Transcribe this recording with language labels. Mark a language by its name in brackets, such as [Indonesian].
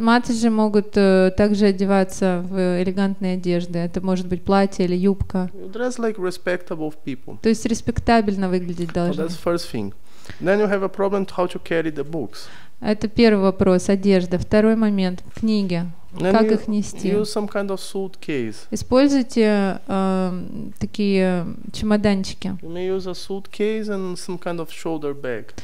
[Russian] Матаджи могут также одеваться в элегантные одежды. Это может быть платье или юбка. [English] Dress like respectable people. [Russian] То есть респектабельно выглядеть должно. [English] That's first thing. Then you have a problem how to carry the books. [Russian] Это первый вопрос, одежда. Второй момент, книги. [English] Then [Russian] как их нести? [English] Use some kind of suitcase. [Russian] Используйте такие чемоданчики. [English] You may use a suitcase and some kind of shoulder bag.